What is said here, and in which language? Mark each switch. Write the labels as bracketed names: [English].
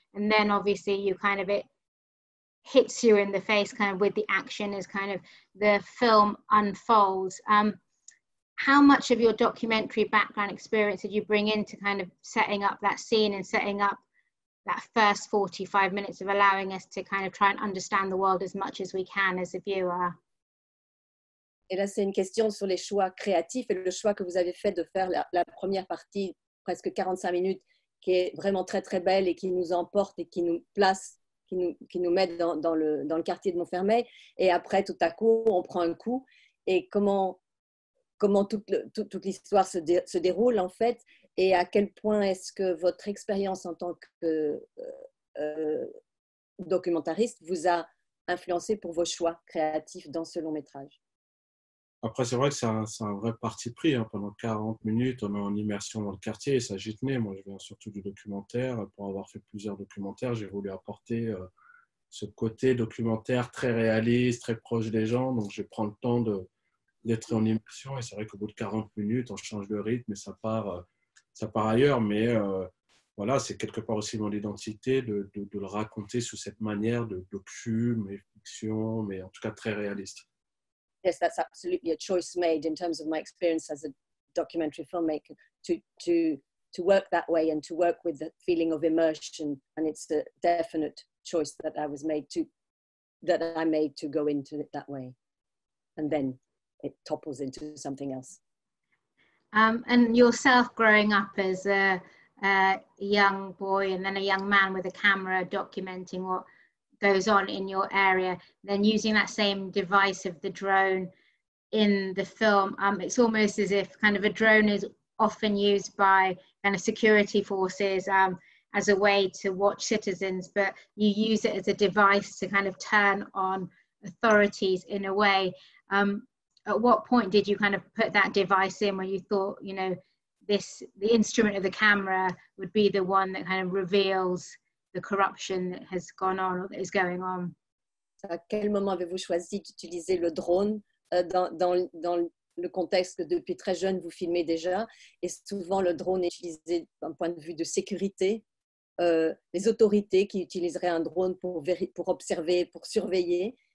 [English] And then obviously it hits you in the face kind of with the action as kind of the film unfolds. How much of your documentary background experience did you bring into kind of setting up that scene and setting up that first 45 minutes of allowing us to kind of try and understand the world as much as we can as a viewer? [French] Et là, c'est une question sur les choix créatifs et le choix que vous avez fait de faire la première partie, presque 45 minutes, qui est vraiment très, très belle et qui nous emporte et qui nous place, qui nous met dans le quartier de Montfermeil. Et après, tout à coup, on prend un coup. Et comment toute l'histoire se déroule, en fait, et à quel point est-ce que votre expérience en tant que documentariste vous a influencé pour vos choix créatifs dans ce long métrage? Après, c'est vrai que c'est un vrai parti pris. Hein. Pendant 40 minutes, on est en immersion dans le quartier et ça gitnait. Moi, je viens surtout du documentaire. Pour avoir fait plusieurs documentaires, j'ai voulu apporter ce côté documentaire très réaliste, très proche des gens. Donc, je prends le temps d'être en immersion. Et c'est vrai qu'au bout de 40 minutes, on change le rythme et ça part ailleurs. Mais voilà, c'est quelque part aussi mon identité de le raconter sous cette manière de docu, mais fiction, mais en tout cas très réaliste. [English] Yes, that's absolutely a choice made in terms of my experience as a documentary filmmaker to work that way and to work with the feeling of immersion. And it's the definite choice that I was made to go into it that way. And then it topples into something else. And yourself growing up as a young boy and then a young man with a camera documenting what goes on in your area, then using that same device of the drone in the film, it's almost as if kind of a drone is often used by kind of security forces as a way to watch citizens, but you use it as a device to kind of turn on authorities in a way. at what point did you kind of put that device in where you thought, you know, this, the instrument of the camera would be the one that kind of reveals the corruption that has gone on or that is going on? [French] À quel moment avez-vous choisi d'utiliser le drone dans le contexte que depuis très jeune vous filmez déjà? Et souvent le drone est utilisé d'un point de vue de sécurité. Les autorités qui utiliseraient un drone pour observer, pour surveiller.